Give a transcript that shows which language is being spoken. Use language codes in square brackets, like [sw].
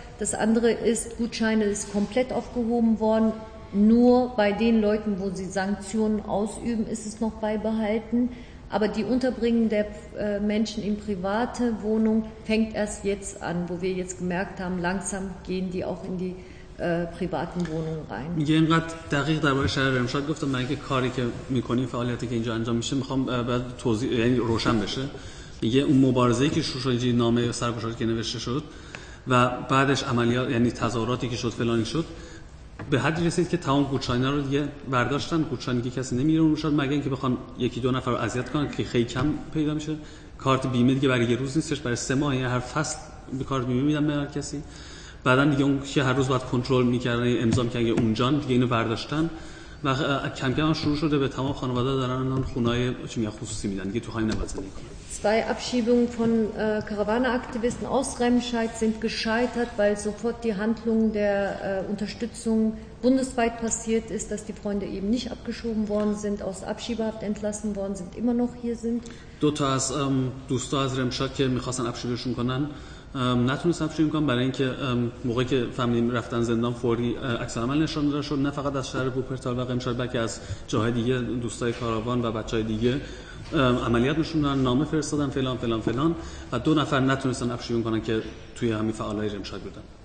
[de] Das andere ist, Gutscheine ist komplett aufgehoben worden. Nur bei den Leuten, wo sie Sanktionen ausüben, ist es noch beibehalten. Aber die Unterbringung der Menschen in private Wohnungen fängt erst jetzt an, wo wir jetzt gemerkt haben, langsam gehen die auch in die privaten Wohnungen rein. [fa] میگه اینقدر دقیق در باره شهر رمشاد گفتم، من اینکه کاری که میکنیم، فعالیتی که اینجا انجام میشه، میخوام بعد توضیح یعنی روشن بشه. میگه اون مبارزه‌ای که شروع شد، نامه سرگشاد که نوشته شد و بعدش عملیات یعنی تظاهراتی که شد فلانی شد، به حدی رسید که تمام گوتشاینا رو دیگه برداشتن، گوتشاین دیگه کسی نمیره اون شد، مگه اینکه بخوان یکی دو نفر رو اذیت کنن که خیلی کم پیدا میشه. کارت بیمه دیگه برای یه روز نیستش، برای 3 ماه یا هر فصل به کارت بیمه میدن به هر کسی. بعدن دیگه اون که هر روز باید کنترل میکردن، امضا میکردن که اونجان، دیگه اینو برداشتن و کم کم شروع شده به تمام خانواده دارن اون خونه‌های چی میگن خصوصی میدن دیگه، تو خونه نمیذارن. [de] Zwei Abschiebungen von Karawaneaktivisten aus Remscheid sind gescheitert, weil sofort die Handlung der Unterstützung bundesweit passiert ist, dass die Freunde eben nicht abgeschoben worden sind, aus Abschiebehaft entlassen worden sind, immer noch hier sind. [fa] دوتا از دوستا از رمشاد که میخواستن ابشیبشون کنن نتونستن ابشیبشون کنن، برای اینکه موقعی که فهمیدیم رفتن زندان فوری عکس العمل نشون داده شد، نه فقط از شهر بوپرتال و رمشاد بلکه از جاهای دیگه، دوستای کاروان و بچهای دیگه عملیات نشون دادن، نامه فرستادن فلان فلان فلان و 2 نفر نتونستن ابشیبشون کنن که توی همین فعالای رمشاد بودن.